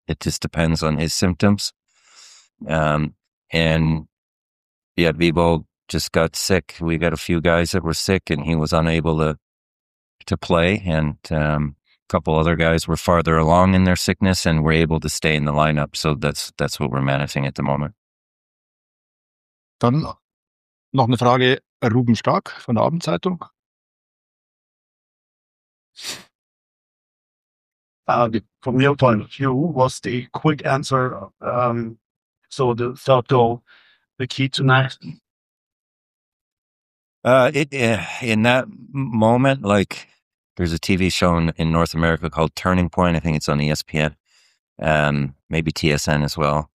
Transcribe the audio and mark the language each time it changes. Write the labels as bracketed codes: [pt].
[en] It just depends on his symptoms. Bibeau just got sick. We got a few guys that were sick, and he was unable to play. And a couple other guys were farther along in their sickness and were able to stay in the lineup. So that's what we're managing at the moment. [de] Dann noch eine Frage, Ruben Stark von der Abendzeitung. [en] From your point of view, was the quick answer, the third goal, the key tonight? In that moment, like, there's a TV show in North America called Turning Point. I think it's on ESPN, maybe TSN as well.